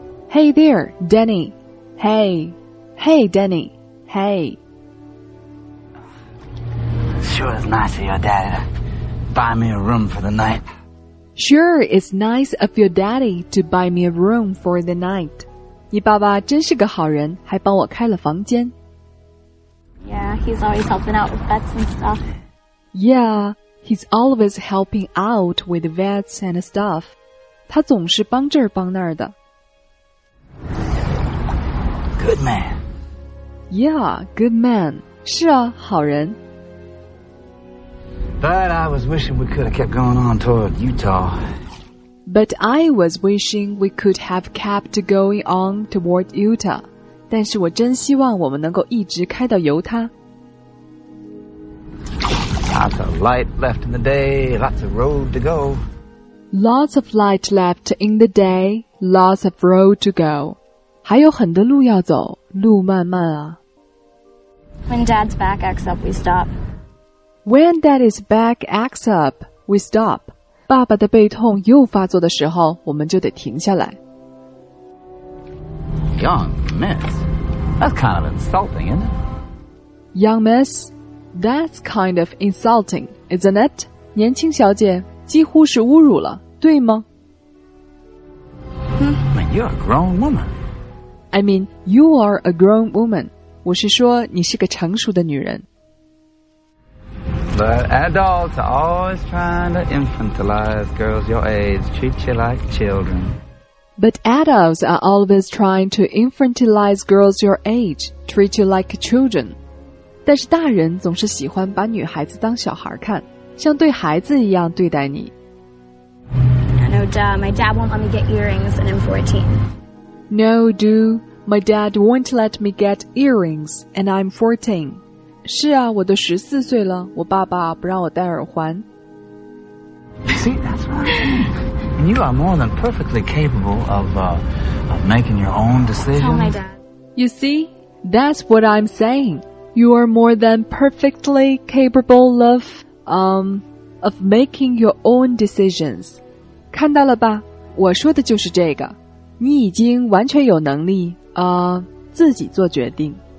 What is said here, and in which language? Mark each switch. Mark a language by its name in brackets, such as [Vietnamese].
[English] Hey there, Danny. Hey, Danny, hey. Sure is nice of your daddy to buy me a room for the night. Sure is nice of your daddy to buy me a room for the night. [Chinese] 你爸爸真是个好人，还帮我开了房间。 [English] Yeah, he's always helping out with vets and stuff. Yeah, he's always helping out with vets and stuff. [Chinese] 他总是帮这儿帮那儿的。 [English] Good man. Yeah, good man. [Chinese] 是啊，好人。 [English] But I was wishing we could have kept going on toward Utah. But I was wishing we could have kept going on toward Utah. [Chinese] 但是我真希望我们能够一直开到犹他。 [English] Lots of light left in the day, lots of road to go. Lots of light left in the day, lots of road to go. [Chinese] 还有很多路要走，路漫漫啊。 [English] When Dad's back acts up, we stop. When Dad is back acts up, we stop. [Chinese] 爸爸的背痛又发作的时候，我们就得停下来。 [English] Young miss, that's kind of insulting, isn't it? Young miss, that's kind of insulting, isn't it? [Chinese] 年轻小姐，几乎是侮辱了，对吗？ [English] I mean, you're a grown woman. I mean, you are a grown woman. [Chinese] 我是说你是个成熟的女人。 [English] But adults are always trying to infantilize girls your age, treat you like children. But adults are always trying to infantilize girls your age, treat you like children. [Chinese] 但是大人总是喜欢把女孩子当小孩看，像对孩子一样对待你。 [English] I know, duh, my dad won't let me get earrings and I'm 14. No, dude, my dad won't let me get earrings, and I'm 14. [Chinese] 是啊，我都十四岁了，我爸爸不让我戴耳环。 [English] See, that's right. And you are more than perfectly capable of making your own decisions. Tell my dad. You see, that's what I'm saying. You are more than perfectly capable of making your own decisions. [Chinese] 看到了吧，我说的就是这个。你已经完全有能力自己做决定。